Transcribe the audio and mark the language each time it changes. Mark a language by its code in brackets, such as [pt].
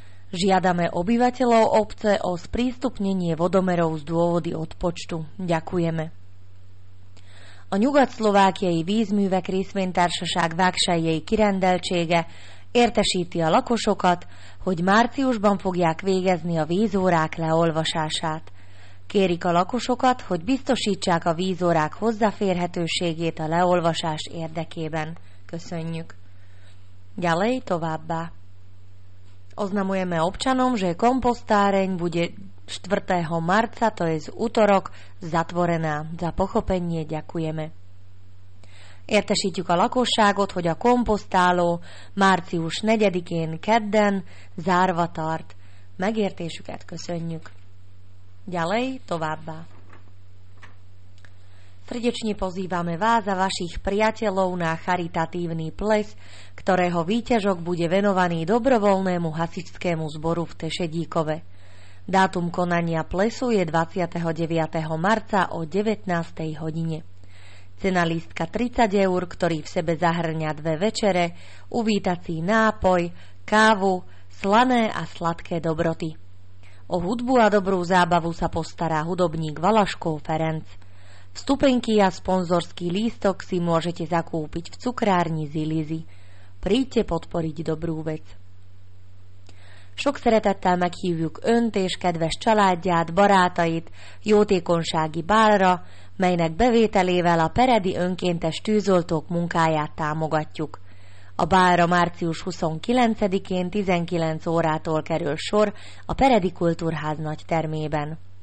[sk] Žiadame obyvateľov obce o sprístupnenie vodomerov z dôvody odpočtu. Ďakujeme. [hu] A nyugat szlovákiai vízművek részvénytársaság vágsájai kirendeltsége értesíti a lakosokat, hogy márciusban fogják végezni a vízórák leolvasását. Kérik a lakosokat, hogy biztosítsák a vízórák hozzáférhetőségét a leolvasás érdekében. Köszönjük! [sk] Ďalej továbbá! Oznamujeme občanom, že komposztáreň bude 4. marca, to je z útorok, zatvorená. Za pochopenie ďakujeme. [hu] Értesítjük a lakosságot, hogy a komposztáló március 4-én kedden zárva tart. Megértésüket köszönjük. [sk] Ďalej továbbá. Srdečne pozývame vás a vašich priateľov na charitatívny ples, ktorého výťažok bude venovaný dobrovoľnému hasičskému zboru v Tešedíkove. Dátum konania plesu je 29. marca o 19. hodine. Cena lístka 30 eur, ktorý v sebe zahŕňa dve večere, uvítací nápoj, kávu, slané a sladké dobroty. O hudbu a dobrú zábavu sa postará hudobník Valaško Ferenc. Vstupenky a sponzorský lístok si môžete zakúpiť v cukrárni Zilizi. Príďte podporiť dobrú vec. [hu] Sok szeretettel meghívjuk önt és kedves családját, barátait jótékonysági bálra, melynek bevételével a peredi önkéntes tűzoltók munkáját támogatjuk. A bálra március 29-én 19 órától kerül sor a peredi kultúrház nagy termében.